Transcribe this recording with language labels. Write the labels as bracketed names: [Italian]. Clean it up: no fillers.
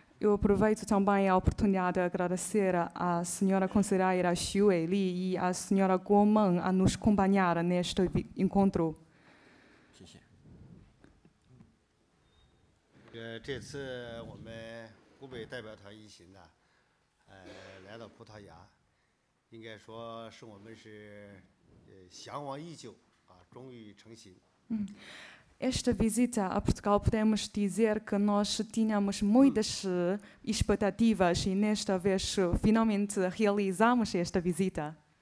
[Portuguese] Eu aproveito também a oportunidade de agradecer à senhora conselheira Xu Weili e à senhora Guo Meng a nos acompanhar neste encontro. [Chinese] 谢谢。这次我们湖北代表团一行呢，来到葡萄牙，应该说是我们是向往已久啊，终于成行。 [Portuguese] Esta visita a Portugal podemos dizer que nós tínhamos muitas expectativas e nesta vez finalmente realizamos esta visita.